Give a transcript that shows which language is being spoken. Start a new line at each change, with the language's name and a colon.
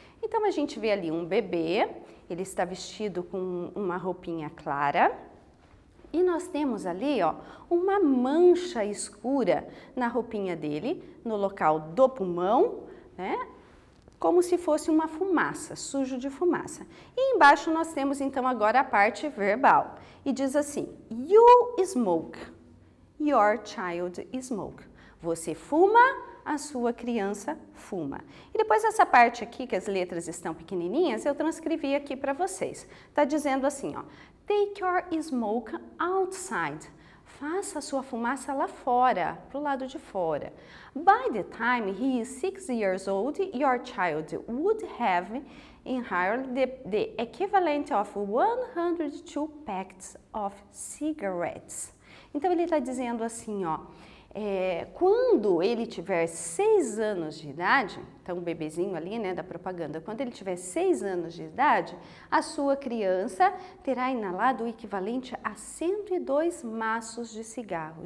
Portuguese: Então, a gente vê ali um bebê, ele está vestido com uma roupinha clara, e nós temos ali, ó, uma mancha escura na roupinha dele, no local do pulmão, né? Como se fosse uma fumaça, sujo de fumaça. E embaixo nós temos então agora a parte verbal. E diz assim,
English: you smoke, your child smoke.
Portuguese: Você fuma, a sua criança fuma. E depois essa parte aqui, que as letras estão pequenininhas, eu transcrevi aqui para vocês. Tá dizendo assim, ó,
English: take your smoke outside.
Portuguese: Faça a sua fumaça lá fora, pro lado de fora.
English: By the time he is 6 years old, your child would have inhaled the equivalent of 102 packs of cigarettes.
Portuguese: Então ele está dizendo assim, ó, quando ele tiver 6 anos de idade, então o bebezinho ali, né, da propaganda, quando ele tiver 6 anos de idade, a sua criança terá inalado o equivalente a 102 maços de cigarro.